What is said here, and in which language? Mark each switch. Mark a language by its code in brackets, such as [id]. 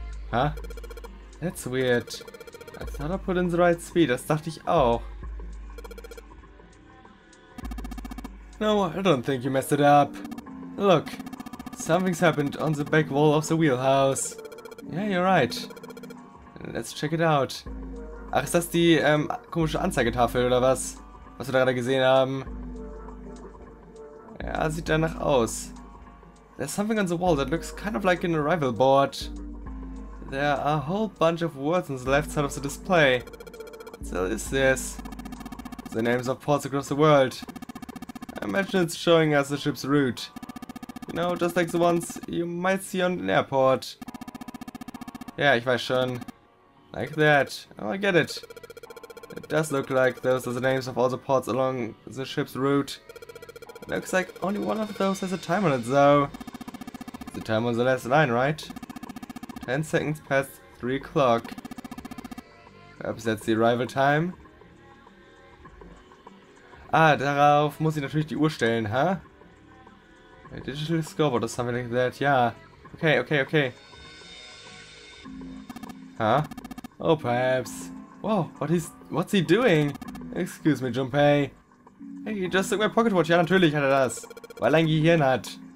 [en] Ha? That's weird. I thought I put in the right speed. [de] Das dachte ich auch. [en] No, I don't think you messed it up. Look, something's happened on the back wall of the wheelhouse. Yeah, you're right. Let's check it out. [de] Ach, ist das die komische Anzeigetafel oder was? Was wir da gerade gesehen haben? Ja, sieht danach aus. [en] There's something on the wall that looks kind of like an arrival board. There are a whole bunch of words on the left side of the display. What is this? The names of ports across the world. I imagine it's showing us the ship's route. You know, just like the ones you might see on an airport. Yeah, [de] ich weiß schon. [en] Like that. Oh, I get it. It does look like those are the names of all the ports along the ship's route. It looks like only one of those has a time on it, though. The time on the last line, right? 10 seconds past 3 o'clock. Perhaps that's the arrival time. [de] Ah, darauf muss ich natürlich die Uhr stellen, ha? [en] Huh? A digital scoreboard or something like that, yeah. Okay, okay, okay. Huh? Oh, perhaps. Whoa, what's he doing? Excuse me, Junpei. Hey, he just took my pocket watch. [de] Ja, natürlich hat das. Weil ein Gehirn hat.